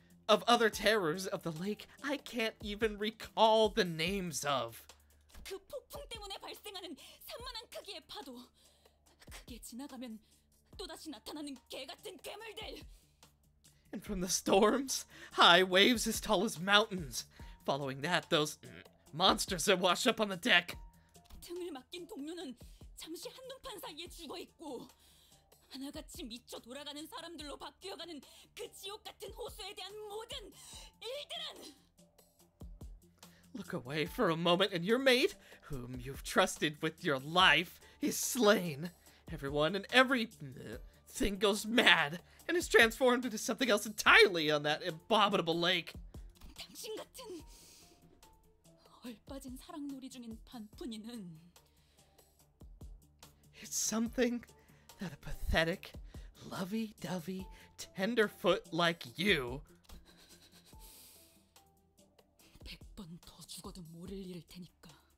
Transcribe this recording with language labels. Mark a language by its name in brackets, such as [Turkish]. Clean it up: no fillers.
[English] Of other terrors of the lake, I can't even recall the names of. [Korean] 그 폭풍 때문에 발생하는 산만한 크기의 파도, 그게 지나가면 또 다시 나타나는 개 같은 괴물들. [English] And from the storms, high waves as tall as mountains. Following that, those monsters that wash up on the deck. [Korean] 등을 맡긴 동료는 잠시 한눈판 사이에 죽어 있고. 하나같이 미쳐 돌아가는 사람들로 바뀌어가는 그 지옥 같은 호수에 대한 모든 일들은! [English] Look away for a moment and your mate, whom you've trusted with your life, is slain. Everyone and everything goes mad and is transformed into something else entirely on that abominable lake. [Korean] 당신 같은 얼빠진 사랑놀이 중인 반푼이는 [English] It's something... that a pathetic, lovey-dovey, tenderfoot like you [Korean] 100번 더 죽어도 모를 일일 테니까